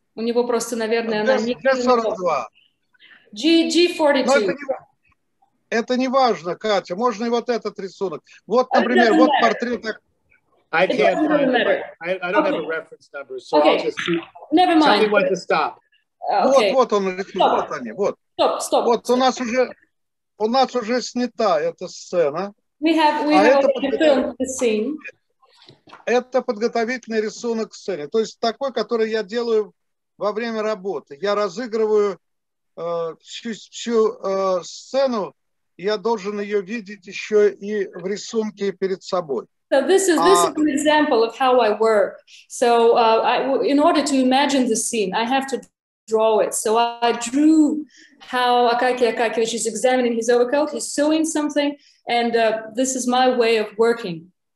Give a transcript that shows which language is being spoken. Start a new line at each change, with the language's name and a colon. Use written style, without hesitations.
Russian: У него просто, наверное, она не...
English: G42.
Russian: Это не важно, Катя. Можно и вот этот рисунок. Вот, например, вот портрет...
English: I don't have a reference number, so I'll just tell you when to stop.
Russian: Вот он рисунок, Таня, вот. Стоп. Вот у нас уже снята эта сцена.
English: We have already filmed the scene.
Russian: Это подготовительный рисунок к сцене. То есть такой, который я делаю во время работы. Я разыгрываю всю сцену, я должен ее видеть еще и в рисунке перед собой.
English: So this is an example of how I work. So in order to imagine the scene, I have to draw it. So I drew how Акакий Акакиевич is examining his overcoat, he's sewing something, and this is my way of working.